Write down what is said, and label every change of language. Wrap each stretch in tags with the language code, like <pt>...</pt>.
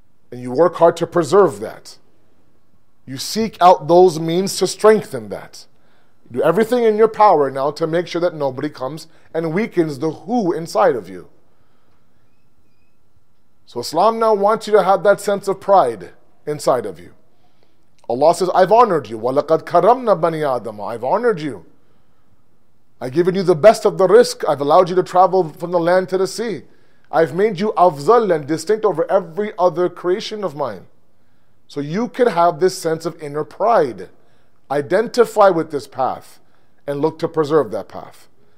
<en>And you work hard to preserve that. You seek out those means to strengthen that. Do everything in your power now to make sure that nobody comes and weakens the who inside of you. So Islam now wants you to have that sense of pride inside of you. Allah says, I've honored you.</en> <ar>وَلَقَدْ كَرَمْنَا بَنِي آدَمَ</ar> <en>I've honored you. I've given you the best of the risk. I've allowed you to travel from the land to the sea. I've made you afzal and distinct over every other creation of mine. So you can have this sense of inner pride. Identify with this path and look to preserve that path.</en>